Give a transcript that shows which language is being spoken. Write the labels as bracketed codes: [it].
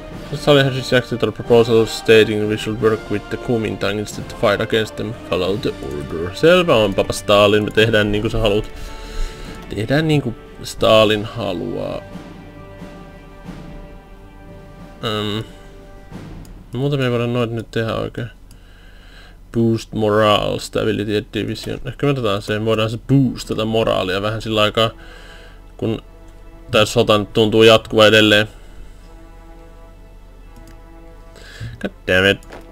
[en] This alliance rejected the proposal stating we should work with the Kuomintang instead to fight against them. Follow the order. [fi] Selvä on, [en] Papa Stalin. [fi] Me tehdään niinku sä haluut. Tehdään niinku Stalin haluaa. Muuta me ei voida noita nyt tehdä oikein. [en] Boost morale, stability and division. [fi] Ehkä me otetaan se, voidaan se boost tätä moraalia vähän sillä aikaa, kun tää sota nyt tuntuu jatkuva edelleen. [en] God damn it.